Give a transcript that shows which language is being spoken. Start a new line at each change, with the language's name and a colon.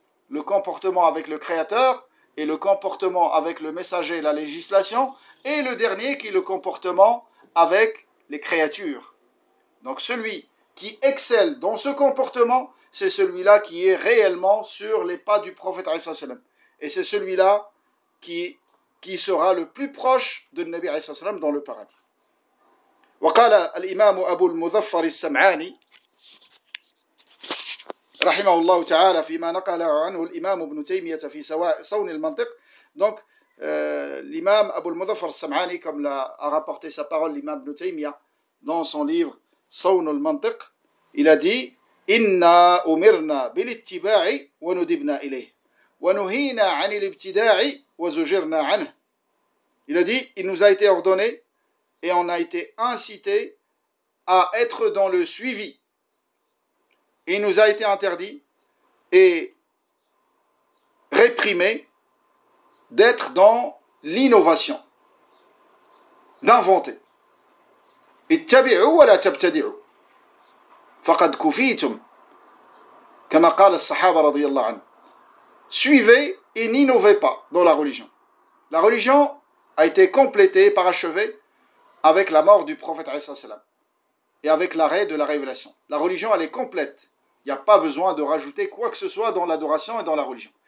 French: Le comportement avec le Créateur, et le comportement avec le messager et la législation, et le dernier qui est le comportement avec les créatures. Donc celui qui excelle dans ce comportement, c'est celui-là qui est réellement sur les pas du prophète عليه الصلاة والسلام. Et c'est celui-là qui sera le plus proche de Nabi عليه الصلاة والسلام dans le paradis.
Arabic: وقال الإمام أبو المظفر السمعاني رحمه الله تعالى فيما نقل عنه الإمام ابن تيمية في صون المنطق.
French: Donc l'imam Abu al-Muzaffar al-Sam'ani, comme a rapporté sa parole l'imam ibn Taymiyyah dans son livre صون المنطق, il a dit:
Arabic: إنا أمرنا بالاتباع وندبنا إليه. ونهينا عن الابتداع وزجرنا عنه.
French: Il a dit, il nous a été ordonné et on a été incité à être dans le suivi. Il nous a été interdit et réprimé d'être dans l'innovation, d'inventer.
Arabic: اتبعوا ولا تبتدعوا فقد كفيتم كما قال الصحابة رضي الله عنهم.
French: Suivez et n'innovez pas dans la religion. La religion a été complétée, parachevée avec la mort du prophète عليه الصلاة والسلام et avec l'arrêt de la révélation. La religion, elle est complète. Il n'y a pas besoin de rajouter quoi que ce soit dans l'adoration et dans la religion.